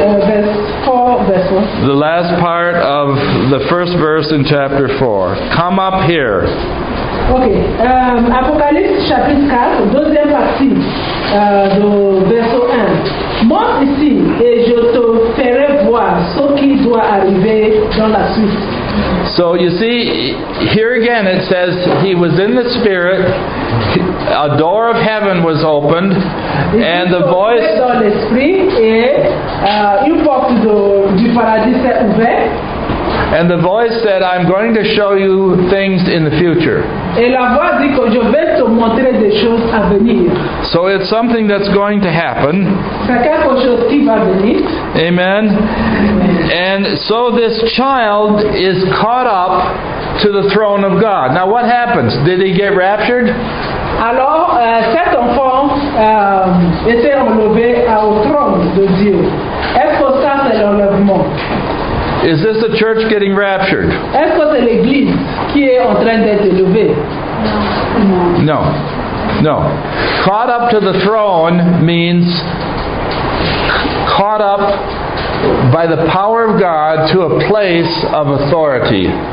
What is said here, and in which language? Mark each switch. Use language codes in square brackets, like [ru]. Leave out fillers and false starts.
[en] The last part of the first verse in chapter 4. Come up here. Okay. [fr] Apocalypse chapitre 4, deuxième partie, de verset 1. Monte ici et je te ferai voir ce qui doit arriver dans la suite. [en] So you see, here again it says he was in the spirit, a door of heaven was opened, and the voice [fr] dans l'esprit et une porte du paradis s'est ouverte. [en] And the voice said, I'm going to show you things in the future. [fr] Et la voix dit que je vais te montrer des choses à venir. [en] So it's something that's going to happen. [fr] C'est quelque chose qui va venir. [en] Amen. And so this child is caught up to the throne of God. Now what happens? Did he get raptured? [fr] Alors cet enfant était enlevé au trône de Dieu. Est-ce que ça c'est l'enlèvement? [en] Is this the church getting raptured? [fr] Est-ce que c'est l'église qui est en train d'être élevée? [en] No. No. Caught up to the throne means caught up by the power of God to a place of authority.